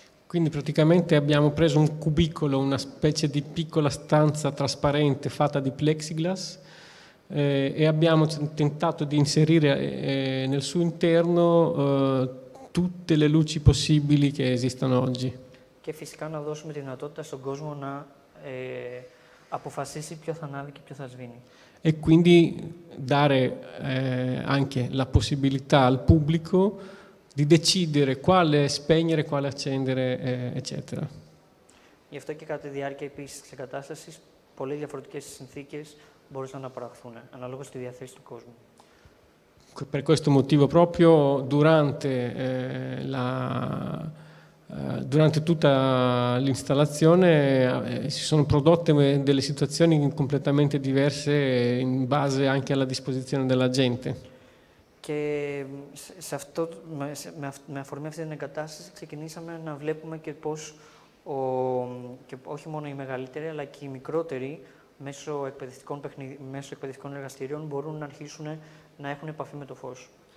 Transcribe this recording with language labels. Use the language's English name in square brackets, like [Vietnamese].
[Italian] Quindi praticamente abbiamo preso un cubicolo, una specie di piccola stanza trasparente fatta di plexiglass e abbiamo tentato di inserire nel suo interno tutte le luci possibili che esistono oggi. [Greek] Και φυσικά να δώσουμε τη δυνατότητα στον κόσμο να αποφασίσει ποιο θα ανάβει και ποιο θα σβήνει. [Italian] E quindi dare anche la possibilità al pubblico di decidere quale spegnere, quale accendere, eccetera. [Greek] Γι' αυτό και κατά τη διάρκεια επίσης της εγκατάστασης, πολλές διαφορετικές συνθήκες μπορούσαν να παραχθούν, αναλόγως στη διαθέση του κόσμου. [Italian] Per questo motivo proprio, durante, la, durante tutta l'installazione, si sono prodotte delle situazioni completamente diverse in base anche alla disposizione della gente. [Greek] Και σε αυτό, με αφορμή αυτή την εγκατάσταση, ξεκινήσαμε να βλέπουμε και πώς ο, και όχι μόνο οι μεγαλύτεροι, αλλά και οι μικρότεροι, μέσω εκπαιδευτικών, μέσω εκπαιδευτικών εργαστηρίων, μπορούν να αρχίσουν να έχουν επαφή με το φως.